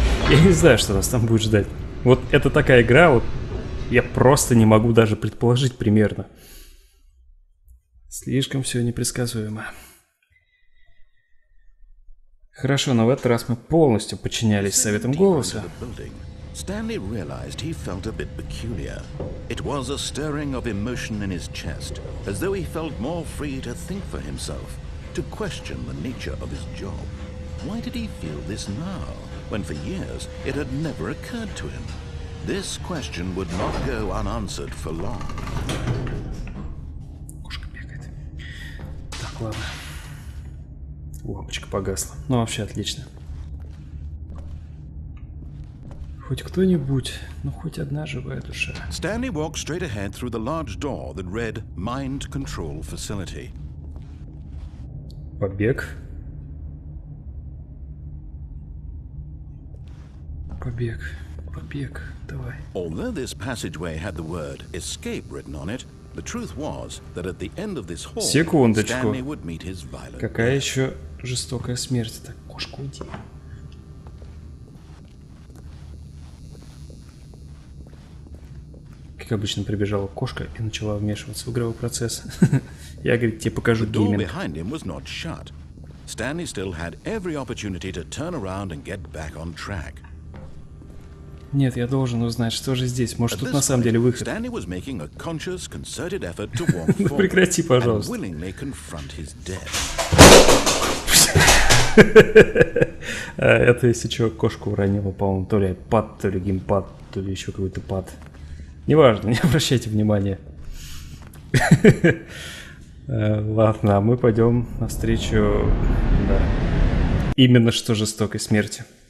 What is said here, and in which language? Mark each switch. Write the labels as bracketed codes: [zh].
[ru] Я не знаю, что нас там будет ждать. Вот это такая игра, вот я просто не могу даже предположить примерно. Слишком все непредсказуемо. Хорошо, но в этот раз мы полностью подчинялись советам голоса. [en] Stanley realized he felt a bit peculiar. It was a stirring of emotion in his chest, as though he felt more free to think for himself, to question the nature of his job. Why did he feel this now, when for years it had never occurred to him? This question would not go unanswered for long. [ru] Кошка бегает. Так, ладно. Лампочка погасла. Ну, вообще отлично. Хоть кто-нибудь, ну хоть одна живая душа. [en] Stanley walked straight ahead through the large door that read Mind Control Facility. [ru] Побег. Побег, побег, давай. [en] Although this passageway had the word escape written on it, the truth was that at the end of this hall, Stanley would meet his violent death. [ru] Какая еще жестокая смерть? Так, кошку уйди. Как обычно, прибежала кошка и начала вмешиваться в игровой процесс. Я, говорит, тебе покажу гейминг. [en] The door behind him was not shut. Stanley still had every opportunity to turn around and get back on track. [ru] Нет, я должен узнать, что же здесь. Может, тут на самом деле выход? [en] Stanley was making a conscious, concerted effort to walk forward. [ru] Прекрати, пожалуйста. [en] And willingly confront his death. [ru] Это если чего кошку уронило, по-моему, то ли iPad, то ли геймпад, то ли еще какой-то пад. Неважно, не обращайте внимания. Ладно, а мы пойдем навстречу, да, именно что жестокой смерти.